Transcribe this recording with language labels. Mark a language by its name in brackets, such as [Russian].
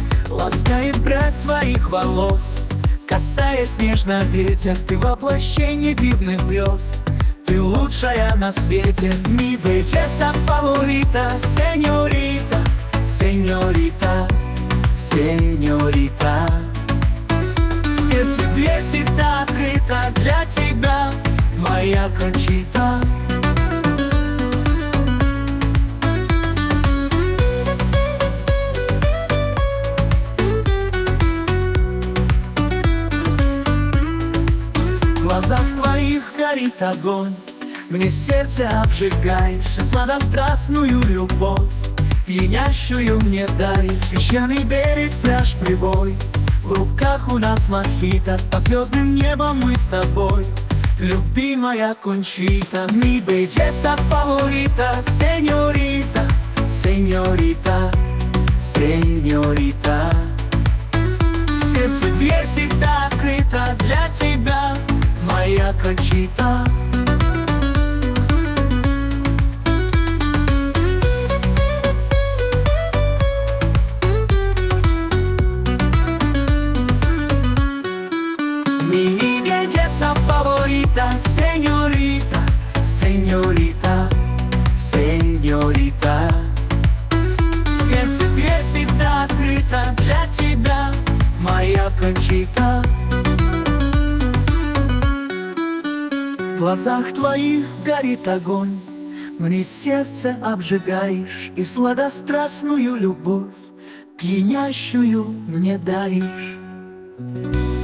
[Russian] Ласкает брат твоих волос, касаясь нежно ветер, ты воплощение дивных грез, ты лучшая на свете. [Spanish] Mi belleza favorita, señorita, señorita, señorita. [Russian] В сердце дверь всегда открыта для тебя, моя Кончита. В глазах твоих горит огонь, мне сердце обжигаешь, сладострастную любовь, пьянящую мне даришь. Песчаный берег, пляж, прибой, в руках у нас мохито, под звездным небом мы с тобой, любимая Кончита. [Spanish] Mi belleza favorita, señorita, señorita, señorita. [Russian] В сердце дверь всегда открыта для тебя, моя Кончита. [Spanish] Mi belleza favorita, señorita, señorita, señorita. [Russian] Сердце дверь всегда открыто для тебя, моя Кончита. В глазах твоих горит огонь, мне сердце обжигаешь, и сладострастную любовь, пьянящую мне даришь.